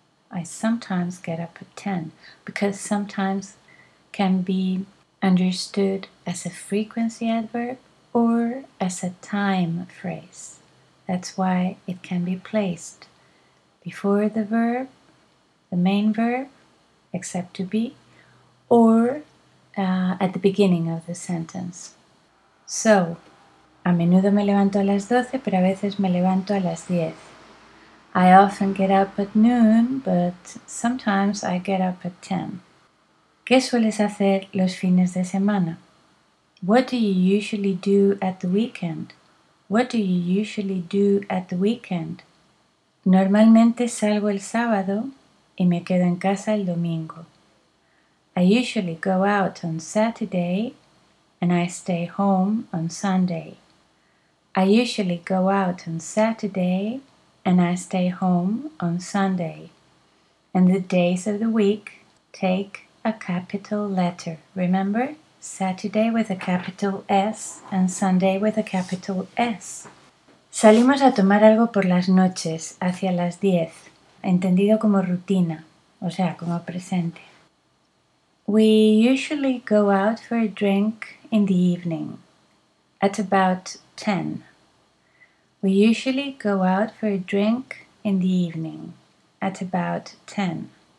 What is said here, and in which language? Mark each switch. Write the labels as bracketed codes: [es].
[en] I sometimes get up at 10, because sometimes can be understood as a frequency adverb or as a time phrase. That's why it can be placed before the verb, the main verb, except to be, or at the beginning of the sentence. [es] So, a menudo me levanto a las 12, pero a veces me levanto a las 10. [en] I often get up at noon, but sometimes I get up at 10. [es] ¿Qué sueles hacer los fines de semana? [en] What do you usually do at the weekend? What do you usually do at the weekend? [es] Normalmente salgo el sábado y me quedo en casa el domingo. [en] I usually go out on Saturday and I stay home on Sunday. I usually go out on Saturday and I stay home on Sunday. And the days of the week take a capital letter. Remember? Saturday with a capital S and Sunday with a capital S. [es] Salimos a tomar algo por las noches, hacia las 10. Entendido como rutina, o sea, como presente. [en] We usually go out for a drink in the evening at about 10. We usually go out for a drink in the evening, at about 10.